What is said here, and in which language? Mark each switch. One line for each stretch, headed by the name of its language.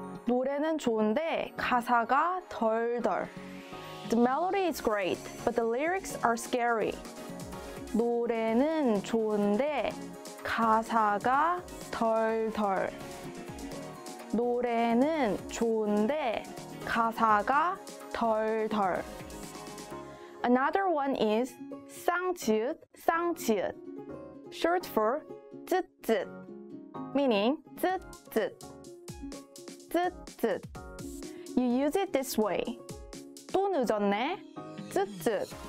Korean: 노래는 좋은데 가사가 덜덜.
English: The melody is great, but the lyrics are scary.
Korean: 노래는 좋은데 가사가 덜덜. 노래는 좋은데 가사가 덜덜.
English: Another one is 쌍치읓, 쌍치읓, short for 쯧쯧, meaning 쯧쯧, 쯧쯧. You use it this way.
Korean: 늦었네. 쯧쯧.